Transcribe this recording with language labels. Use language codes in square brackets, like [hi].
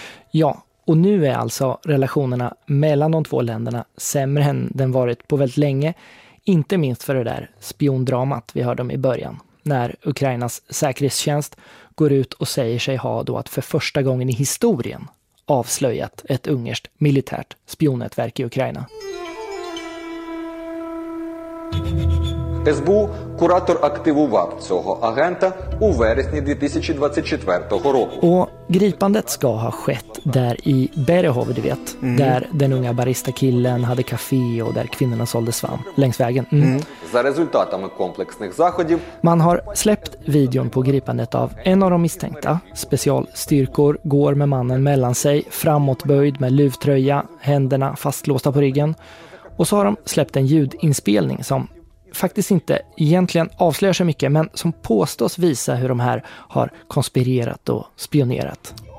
[sv] Ja, och nu är alltså relationerna mellan de två länderna sämre än den varit på väldigt länge. Inte minst för det där spiondramat vi hörde om i början. När Ukrainas säkerhetstjänst går ut och säger sig ha då att för första gången i historien avslöjat ett ungerskt militärt spionnätverk i Ukraina. [uk] СБУ куратор активував цього агента у вересні 2024 року. [sv] Och gripandet ska ha skett där i Berehov, du vet. Mm. Där den unga baristakillen hade kafé och där kvinnorna sålde svamp längs vägen. Mm. [uk] За результатами комплексних заходів. [sv] Man har släppt videon på gripandet av en av de misstänkta. Specialstyrkor går med mannen mellan sig, framåtböjd med luvtröja, händerna fastlåsta på ryggen. Och så har de släppt en ljudinspelning som faktiskt inte egentligen avslöjar så mycket, men som påstås visa hur de här har konspirerat och spionerat.